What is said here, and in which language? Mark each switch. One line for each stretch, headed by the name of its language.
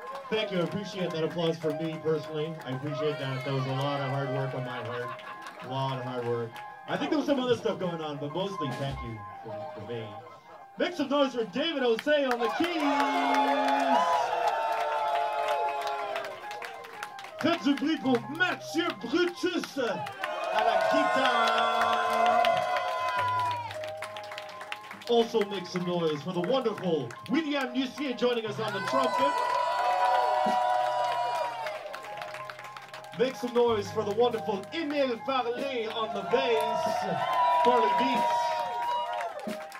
English: Thank you. I appreciate that applause for me personally. I appreciate that. That was a lot of hard work on my part. A lot of hard work. I think there was some other stuff going on, but mostly thank you for me. Make some noise for David Osei on the keys.
French: Faites du bruit pour Mathieu Brutus à la guitare.
English: Also make some noise for the wonderful William Nussier joining us on the trumpet. Make some noise for the wonderful Emile Farley on the bass, Farley Beats.